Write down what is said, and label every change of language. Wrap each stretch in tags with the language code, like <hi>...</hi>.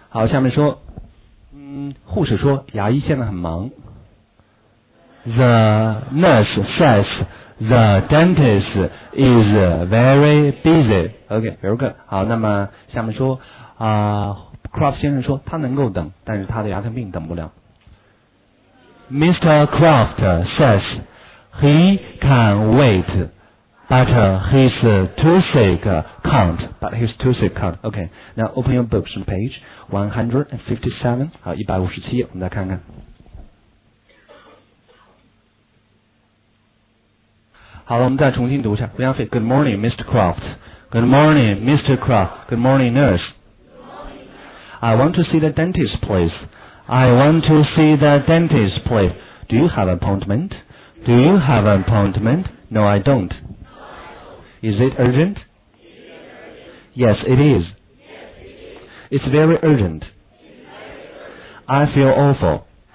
<zh>好，下面说，护士说牙医现在很忙。</zh> <en>The nurse says the dentist is very busy. OK, very good.</en> <zh>好，那么下面说，Croft 先生说他能够等，但是他的牙疼病等不了。</zh> <en>Mr. Croft says he can wait, but his toothache can't. But his toothache can't. OK, now open your books on page 157.</en> <zh>好，157页，我们再看看。好了，我们再重新读一下。胡杨飞 ，</zh> <en>Good morning, Mr. Croft. Good morning, Mr. Croft. Good morning, nurse. I want to see the dentist, please. I want to see the dentist, please. Do you have an appointment? Do you have an appointment? No, I don't. Is it urgent? Yes, it is. It's very urgent. I feel awful.</en>